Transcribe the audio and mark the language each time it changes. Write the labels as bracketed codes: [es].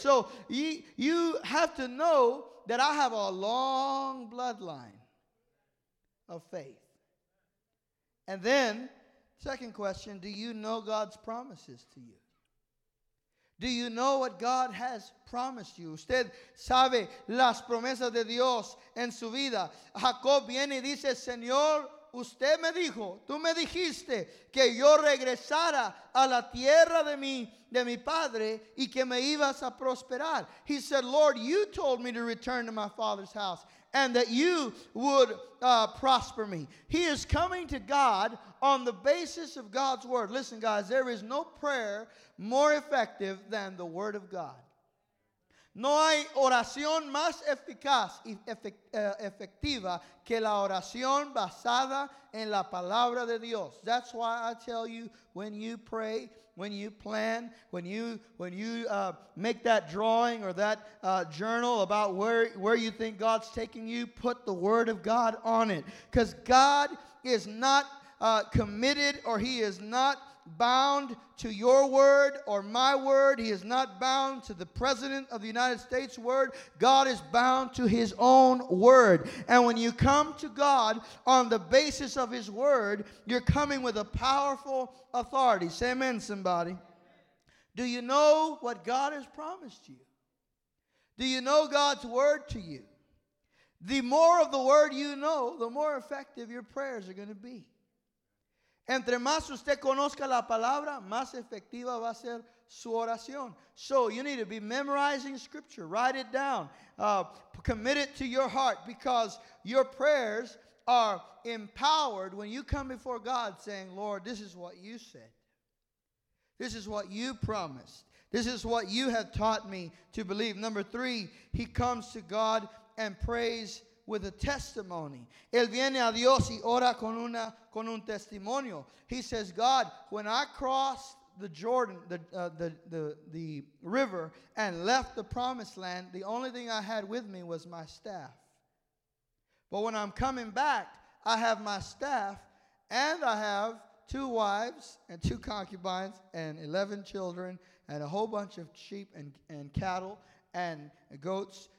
[en] So you have to know that I have a long bloodline of faith. And then, second question, do you know God's promises to you? Do you know what God has promised you? [es] Usted sabe las promesas de Dios en su vida. Jacob viene y dice, Señor, usted me dijo, tú me dijiste que yo regresara a la tierra de mi padre y que me ibas a prosperar. [en] He said, Lord, you told me to return to my father's house and that you would prosper me. He is coming to God on the basis of God's word. Listen, guys, there is no prayer more effective than the word of God. [es] No hay oración más eficaz y efectiva que la oración basada en la palabra de Dios. [en] That's why I tell you, when you pray, when you plan, when you make that drawing or that journal about where you think God's taking you, put the word of God on it. Because God is not committed, or he is not bound to your word or my word. He is not bound to the President of the United States' word. God is bound to his own word. And when you come to God on the basis of his word, you're coming with a powerful authority. Say amen, somebody. Do you know what God has promised you? Do you know God's word to you? The more of the word you know, the more effective your prayers are going to be. [es] Entre más usted conozca la palabra, más efectiva va a ser su oración. [en] So you need to be memorizing scripture. Write it down. Commit it to your heart, because your prayers are empowered when you come before God saying, Lord, this is what you said. This is what you promised. This is what you have taught me to believe. Number three, he comes to God and prays with a testimony. [es] Él viene a Dios y ora con un testimonio. [en] He says, God, when I crossed the Jordan, the river, and left the promised land, the only thing I had with me was my staff. But when I'm coming back, I have my staff, and I have two wives and two concubines and 11 children and a whole bunch of sheep and cattle and goats.